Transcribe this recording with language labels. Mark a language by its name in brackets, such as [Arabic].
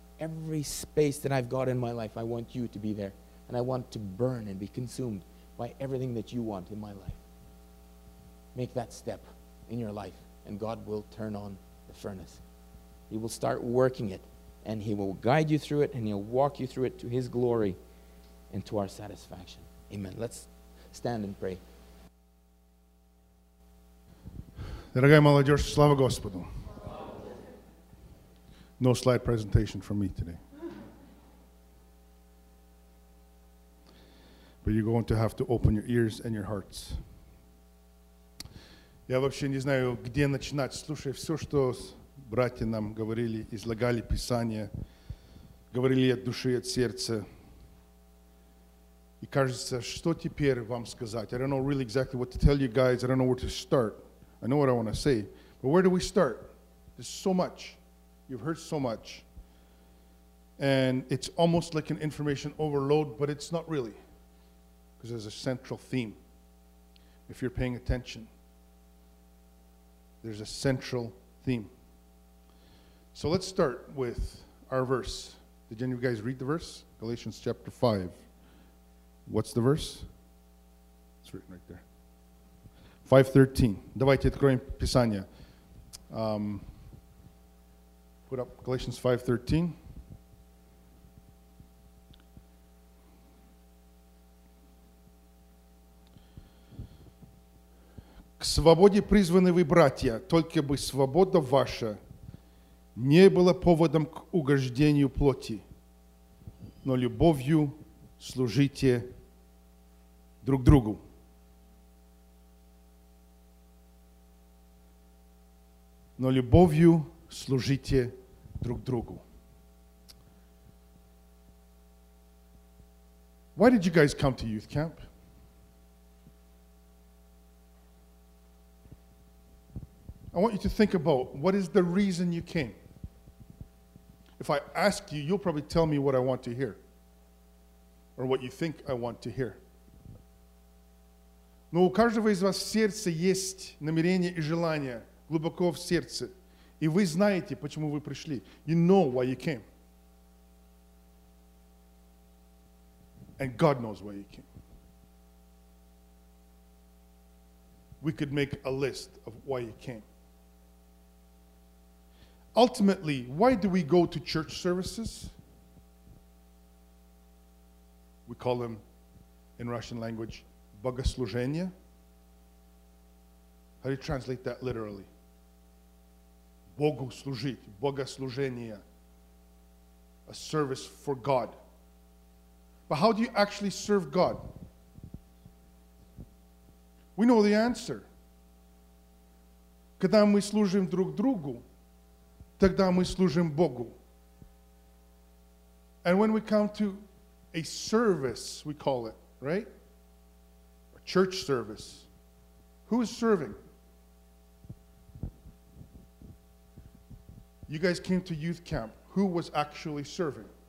[English] Every space that I've got in my life, I want you to be there, and I want to burn and be consumed by everything that you want in my life. Make that step in your life, and God will turn on the furnace. He will start working it. And he will guide you through it, and he'll walk you through it to his glory and to our satisfaction. Amen. Let's stand and pray. [Russian] Дорогая молодежь, слава Господу. [English] No slide presentation from me today. But you're going to have to open your ears and your hearts. [Russian] Я вообще не знаю, где начинать, слушая все, что братья нам говорили, излагали Писание, говорили от души, от сердца. И кажется, что теперь вам сказать? [English] I don't know really exactly what to tell you guys. I don't know where to start. I know what I want to say. But where do we start? There's so much. You've heard so much. And it's almost like an information overload, but it's not really. Because there's a central theme. If you're paying attention, there's a central theme. So let's start with our verse. Did any of you guys read the verse? Galatians chapter 5. What's the verse? It's written right there. 5:13. [Russian] Давайте откроем Писание. [English] Put up Galatians 5:13. [Russian] К свободе призваны вы, братья, только бы свобода ваша не была поводом к угождению плоти, но любовью служите друг другу. Но любовью служите друг другу. [English] Why did you guys come to youth camp? I want you to think about what is the reason you came. If I ask you, you'll probably tell me what I want to hear or what you think I want to hear. [Russian] Но у каждого из вас в сердце есть намерение и желание глубоко в сердце. И вы знаете, почему вы пришли. [English] You know why you came. And God knows why you came. We could make a list of why you came. Ultimately, why do we go to church services? We call them, in Russian language, богослужения. How do you translate that literally? [Russian] Богу служить, богослужение. [English] A service for God. But how do you actually serve God? We know the answer. [Russian] Когда мы служим друг другу, тогда мы служим Богу. [English] And when we come to a service, we call it, right? A church service. Who is serving? You guys came to youth camp. Who was actually serving?